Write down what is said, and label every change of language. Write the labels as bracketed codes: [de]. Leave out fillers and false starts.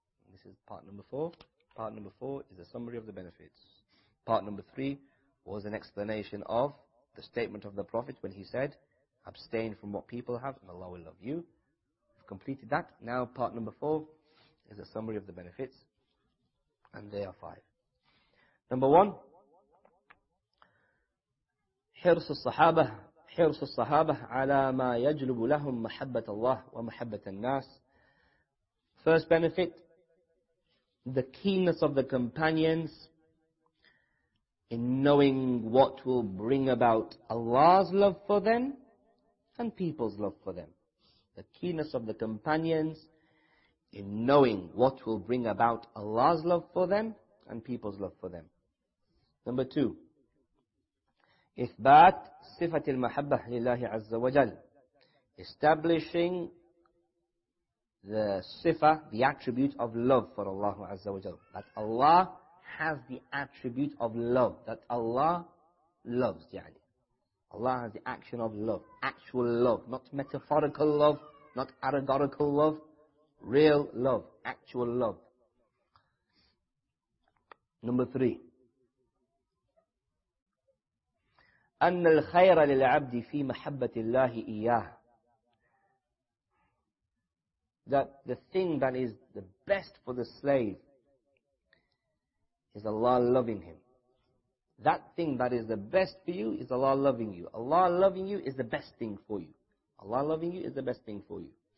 [en] This is part number 4. Part number 4 is a summary of the benefits. Part number 3 was an explanation of the statement of the Prophet when he said, abstain from what people have and Allah will love you. We've completed that. Now part number 4 is a summary of the benefits. And they are 5. Number 1, [ar] حرص الصحابة حرص الصحابة على ما يجلب لهم محبة الله ومحبة الناس. [en] First benefit, the keenness of the companions in knowing what will bring about Allah's love for them and people's love for them. The keenness of the companions in knowing what will bring about Allah's love for them and people's love for them. Number 2, [ar] إثبات صفة المحبة لله عز وجل. [en] Establishing the sifa, the attribute of love for Allah عز وجل. That Allah has the attribute of love. That Allah loves. Allah has the action of love. Actual love. Not metaphorical love. Not allegorical love. Real love. Actual love. Number 3, [ar] أن الخير للعبد في محبة الله إياه. [en] That the thing that is the best for the slave is Allah loving him. That thing that is the best for you is Allah loving you. Allah loving you is the best thing for you. Allah loving you is the best thing for you.